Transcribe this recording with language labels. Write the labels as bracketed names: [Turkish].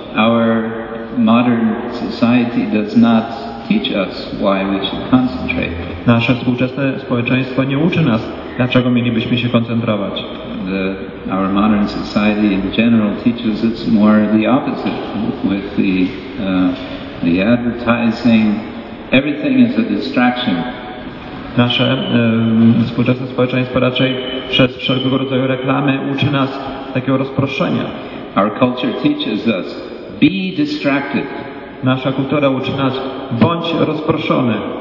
[English] Our modern society does not teach us why we should concentrate. [Polish] Nasze współczesne społeczeństwo nie uczy nas, dlaczego mielibyśmy się koncentrować. [English] the, our modern society in general teaches it's more the opposite with the advertising. Everything is a distraction. [Polish] Nasze współczesne społeczeństwo raczej przez wszelkiego rodzaju reklamy uczy nas takiego rozproszenia. [English] Our culture teaches us, be distracted. [Polish] Nasza kultura uczy nas, bądź rozproszony.